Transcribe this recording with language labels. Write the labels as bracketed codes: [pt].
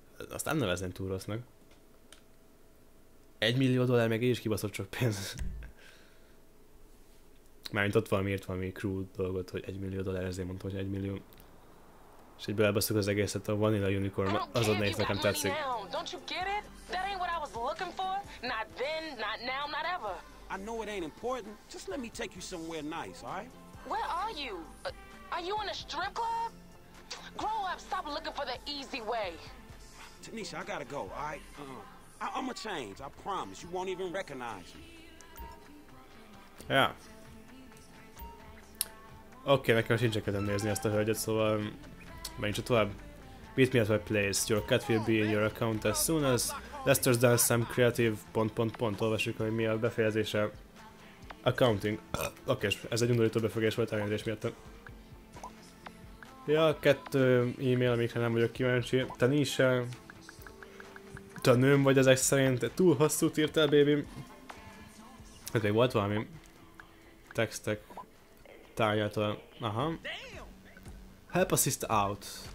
[hu] Azt nem nevezném túl rossznak. $1,000,000 meg így is kibaszott sok pénz. Mármint ott valamiért valami crew dolgot, hogy $1,000,000, ezért mondtam, hogy 1,000,000. És így belebasszuk az egészet, a Vanilla Unicorn azon néz, nekem tetszik. [en] Don't you get it? That ain't what I was looking for. Not then, not now, not ever. I know it ain't important. Just let me take you somewhere nice, alright? Where are you? Are you in a strip club? Grow up, stop looking for the easy way. Tanisha, I gotta go, alright? I'm a change, I promise. You won't even recognize me. Yeah. [hu] Okay, nekem most nincs kedvem nézni ezt a hölgyet, szóval menjünk csak tovább. [en] Meet me at my place. Your cat will be in your account as soon as Lester's done some creative... [hu] Olvassuk, hogy mi a befejezése. [en] Accounting. [hu] Oké, ez egy undorító befogás volt elnézés miatt. Ja, kettő e-mail, amikre nem vagyok kíváncsi. Tanisha. A nőm vagy ezek szerint, túl hosszút írtál, baby. Oké, okay, volt valami textek tárgyától. Aha. [en] Help a sister out.